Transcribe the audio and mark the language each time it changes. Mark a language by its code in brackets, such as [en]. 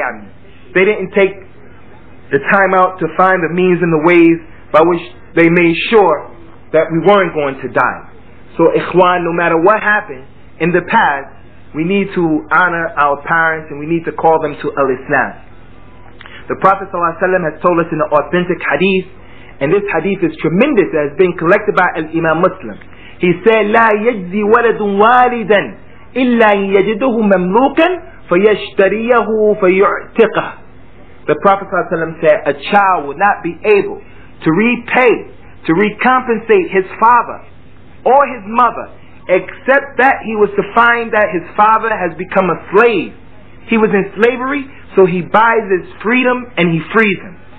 [en] I mean, they didn't take the time out to find the means and the ways by which they made sure that we weren't going to die. So ikhwan, no matter what happened in the past, we need to honor our parents and we need to call them to al-Islam. The Prophet ﷺ has told us in the authentic hadith, and this hadith is tremendous, it has been collected by Imam Muslim. He said, [ar] لا يجزي ولد والدا إلا يجده مملوكا فيشتريه فيعتقه. [en] The Prophet ﷺ said, a child will not be able to repay, to recompensate his father or his mother, except that he was to find that his father has become a slave. He was in slavery, so he buys his freedom and he frees him.